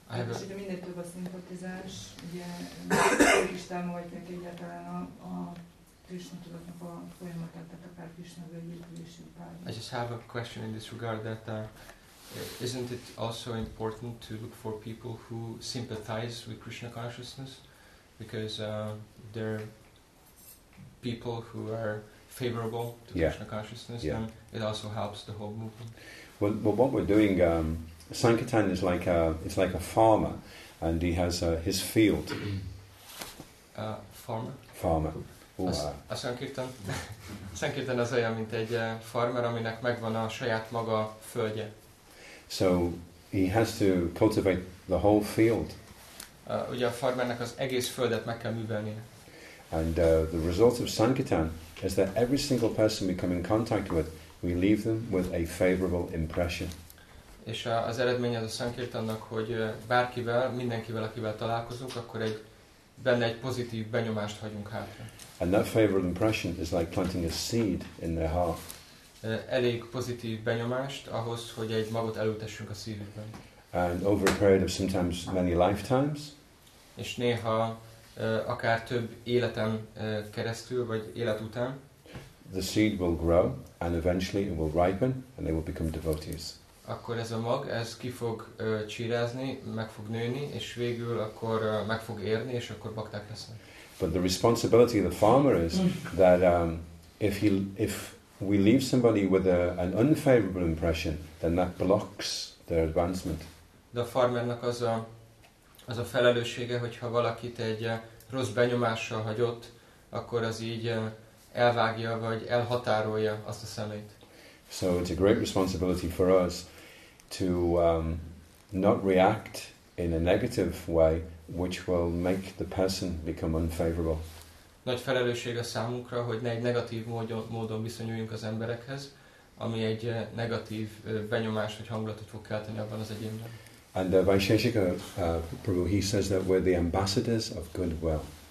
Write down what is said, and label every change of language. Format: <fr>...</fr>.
<hu>És ugye minden több a szimpatizás, ugye Krisztán vagy neki egyáltalán a Krisztán tudatnak a folyamatát, tehát akár Krisztán vagy érdülési pályát.</hu> <en>I just have a question in this regard that isn't it also important to look for people who sympathize with Krishna consciousness? Because there are people who are favorable to Krishna consciousness, and it also helps the whole movement. Well, what we're doing, Sankirtan is like a farmer, and he has his field. Farmer. Sankirtan.</en> <hu>Sankirtan az olyan, mint egy farmer, aminek megvan a saját maga földje.</hu> <en>So he has to cultivate the whole field.</en> <hu>Ugye a farmernek az egész földet meg kell művelnie.</hu> <en>And the result of Sankirtan is that every single person we come in contact with, we leave them with a favorable impression.</en> <hu>És az eredménye az a Sankirtannak, hogy bárkivel, mindenkivel, akivel találkozunk, akkor egy benne egy pozitív benyomást hagyunk hátra.</hu> <en>And that favorable impression is like planting a seed in their heart.</en> <hu>Elég pozitív benyomást ahhoz, hogy egy magot elültessünk a szívükben.</hu> <en>And over a period of sometimes many lifetimes.</en> <hu>És néha akár több életen keresztül vagy élet után.</hu> <en>The seed will grow and eventually it will ripen and they will become devotees.</en> <hu>Akkor ez a mag, ez ki fog csírázni, meg fog nőni és végül akkor meg fog érni és akkor bakták lesznek.</hu> <en>But the responsibility of the farmer is that if we leave somebody with an unfavorable impression, then that blocks their advancement.</en> <hu>De a farmernak az a felelőssége, hogyha valakit egy rossz benyomással hagyott, akkor az így elvágja vagy elhatárolja azt a szemét.</hu> <en>So it's a great responsibility for us to not react in a negative way, which will make the person become unfavorable.</en> <hu>Nagy felelősség a számunkra, hogy ne egy negatív módon viszonyuljunk az emberekhez, ami egy negatív benyomás vagy hangulatot fog kelteni abban az egyénben.</hu> <en>And Vaisheshika Prabhu, he says that we're the ambassadors of goodwill.</en>